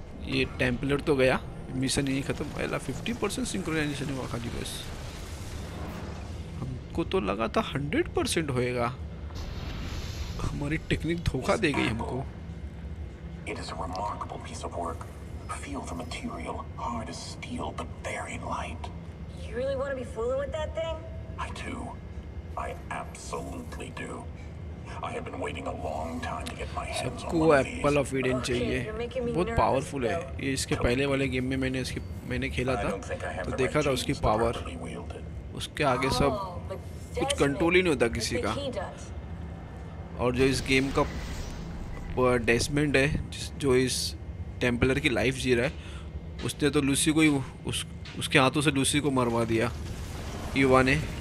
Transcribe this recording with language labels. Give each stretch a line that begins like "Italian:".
Hindi: ये टेम्पलर तो गया, मिशन यही ख़त्म, पहला 50% सिंक्रोनाइजेशन हुआ खाली बस, हमको तो लगा था 100% होएगा, हमारी टेक्निक धोखा दे गई हमको।
English: It is a remarkable piece of work. Feel the material, hard as steel but very light. You really want to be fooling with that thing? I do. I absolutely do. I have been waiting a long time to get my hands on one of these.
Hindi: सबको Apple of Eden चाहिए, बहुत powerful है ये, इसके पहले वाले game में मैंने इसके मैंने खेला था तो देखा था उसकी पावर, उसके आगे सब कुछ कंट्रोल ही नहीं होता किसी का। और जो इस गेम का डेसमेंड है, जो इस टेम्पलर की लाइफ जी रहा है, उसने तो लूसी को ही उसके हाथों से लूसी को मरवा दिया युवा ने।